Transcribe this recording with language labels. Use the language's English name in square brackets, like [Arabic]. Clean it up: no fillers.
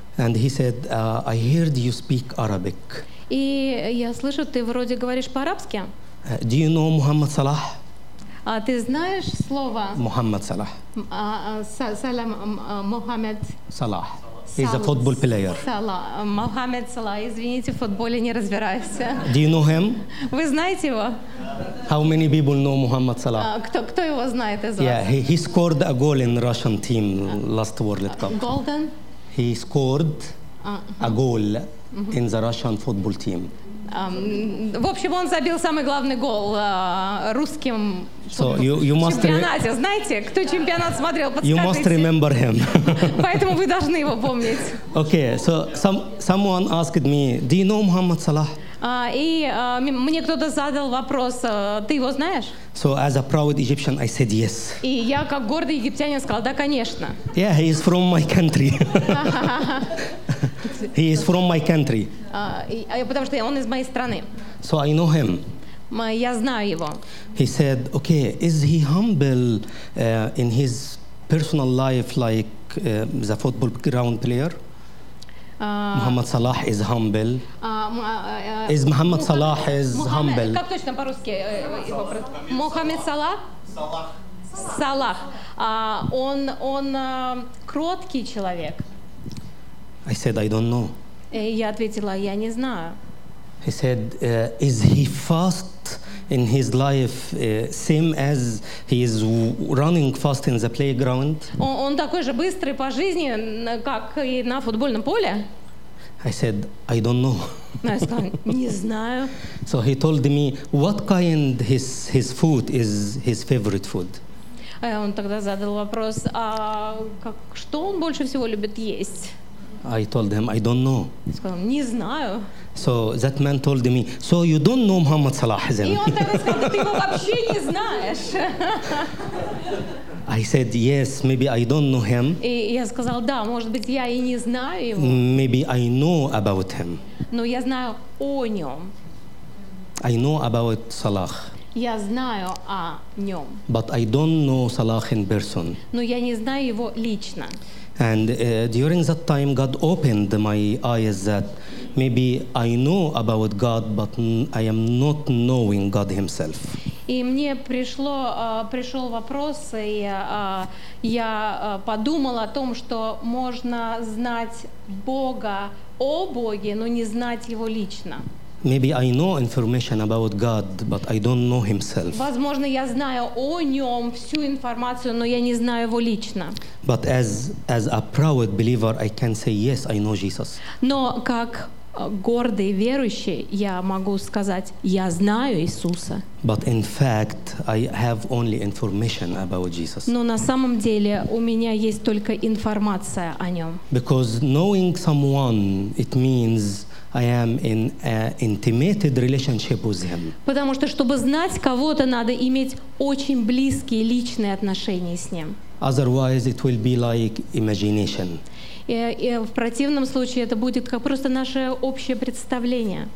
[English] And he said, I heard you speak Arabic. [Russian] И я слышу, ты вроде говоришь по-арабски. [English] Do you know Muhammad Salah? [Russian] А ты знаешь слово? Мухаммад Салах. Салам Мухаммад. [English] Салах. He's a football player. [Russian] Салах. Мухаммад Салах. Извините, в футболе не разбираюсь. [English] Do you know him? [Russian] Вы знаете его? [English] How many people know Мухаммад Салах? [Russian] Кто его знает из вас? [English] Yeah, he scored a goal in Russian team last World Cup. Golden? He scored a goal in the Russian football team. [Russian] В общем, он забил самый главный гол русским чемпионате. Знаете, кто чемпионат смотрел, подскажите. [English] You must remember him. [Russian] Поэтому вы должны его помнить. [English] Okay, so someone asked me, do you know Muhammad Salah? [Russian] Мне кто-то задал вопрос, ты его знаешь? [English] So as a proud Egyptian, I said yes. [Russian] И я как гордый египтянин сказал, да, конечно. [English] Yeah, he is from my country. He is from my country. [Russian] Потому что он из моей страны. [English] So I know him. [Russian] Я знаю его. [English] He said, okay, is he humble in his personal life like the football ground player? Мухаммад Салах is humble. Is Мухаммад Салах is humble? [Russian] Как точно по-русски? Мухаммад Салах? Салах. Салах. Он кроткий человек. [English] I said, I don't know. [Russian] Я ответила, я не знаю. [English] He said, is he fast in his life, same as he is running fast in the playground? [Russian] Он такой же быстрый по жизни, как и на футбольном поле? [English] I said, I don't know. [Russian] Я сказала, не знаю. [English] So he told me, what kind his food is his favorite food? [Russian] Он тогда задал вопрос, что он больше всего любит есть? [English] I told him, I don't know. [Russian] Сказал, не знаю. [English] So that man told me, so you don't know Muhammad Salah, then? [Russian] И он тогда сказал, ты его вообще не знаешь. [English] I said, yes, maybe I don't know him. [Russian] И я сказал, да, может быть, я и не знаю его. [English] Maybe I know about him. [Russian] Но я знаю о нем. [English] I know about Salah. [Russian] Я знаю о нем. [English] But I don't know Salah in person. [Russian] Но я не знаю его лично. [English] And during that time, God opened my eyes that maybe I know about God, but I am not knowing God Himself. [Russian] И мне пришел вопрос, и я подумал о том, что можно знать Бога о Боге, но не знать Его лично. [English] Maybe I know information about God, but I don't know Himself. [Russian] Возможно, я знаю о нем всю информацию, но я не знаю его лично. [English] But as a proud believer, I can say yes, I know Jesus. [Russian] Но как гордый верующий, я могу сказать, я знаю Иисуса. [English] But in fact, I have only information about Jesus. [Russian] Но на самом деле у меня есть только информация о нем. [English] Because knowing someone, it means I am in an intimate relationship with him. [Russian] Потому что, чтобы знать кого-то, надо иметь очень близкие личные отношения с ним. [English] Otherwise, it will be like imagination. [Russian] И в противном случае это будет как просто наше общее представление.